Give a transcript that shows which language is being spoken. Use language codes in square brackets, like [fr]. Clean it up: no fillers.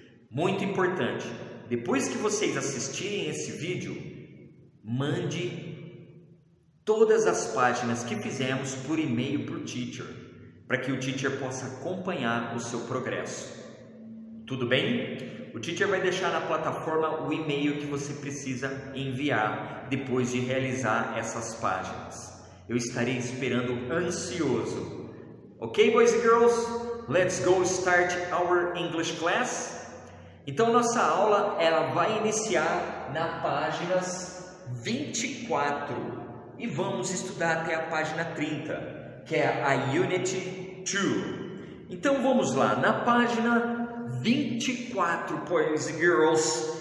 [pt] Muito importante, depois que vocês assistirem esse vídeo, mande todas as páginas que fizemos por e-mail para o teacher, para que o teacher possa acompanhar o seu progresso. Tudo bem? O teacher vai deixar na plataforma o e-mail que você precisa enviar depois de realizar essas páginas. Eu estarei esperando ansioso. [en] Ok, boys and girls? Let's go start our English class. [pt] Então, nossa aula ela vai iniciar na páginas 24 e vamos estudar até a página 30, que é a Unit 2. Então, vamos lá. Na página 24, [en] boys and girls.